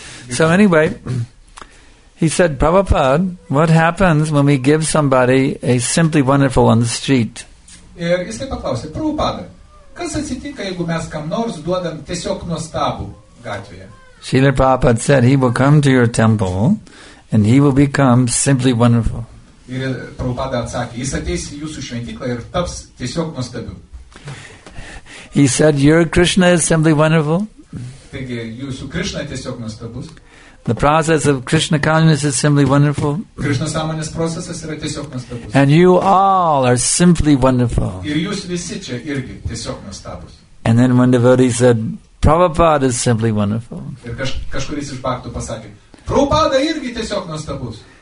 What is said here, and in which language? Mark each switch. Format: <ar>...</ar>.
<en>So anyway, he said, Prabhupada, what happens when we give somebody a Simply Wonderful on the street? Srila Prabhupada said, he will come to your temple and he will become Simply Wonderful.</en> <lt>Ir Prabhupada atsakė, jis ateis į jūsų šventyklą ir taps tiesiog nuostabiu.</lt> <en>He said, your Krishna is simply wonderful.</en> <lt>Taigi, jūsų Krishna tiesiog nuostabus.</lt> <en>The process of Krishna consciousness is simply wonderful.</en> <lt>Krishna sąmonės procesas yra tiesiog nuostabus.</lt> <en>And you all are simply wonderful.</en> <lt>Ir jūs visi čia irgi tiesiog nuostabus.</lt> <en>And then one devotee said, Prabhupada is simply wonderful.</en> <lt>Ir kažkuris iš bhaktų pasakė, Prabhupada irgi tiesiog nuostabus.</lt>